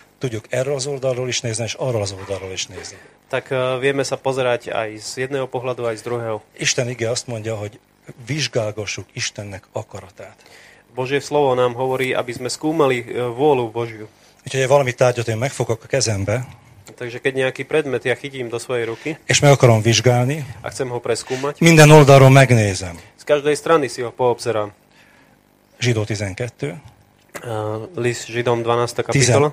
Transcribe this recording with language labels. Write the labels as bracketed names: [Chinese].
[Hungarian] tudjuk erről az oldalról is nézni, és arról az oldalról is nézni. [Slovak] Tak vieme sa pozerať aj z jedného pohľadu, aj z druhého. [Hungarian] Isten ige azt mondja, hogy vizsgálgassuk Istennek akaratát. [Slovak] Božie slovo nám hovorí, aby sme skúmali vôľu Božiu. Viete, je veľmi táť, že [Hungarian] megfogok a kezembe. [Slovak] Takže keď nejaký predmet ja chytím do svojej ruky. [Hungarian] És meg akarom vizsgálni. [Slovak] A chcem ho preskúmať. [Hungarian] Minden oldalról megnézem. [Slovak] Z každej strany si ho poobzerám. [Hungarian] Židó 12. [Slovak] List Židom 12. kapitola.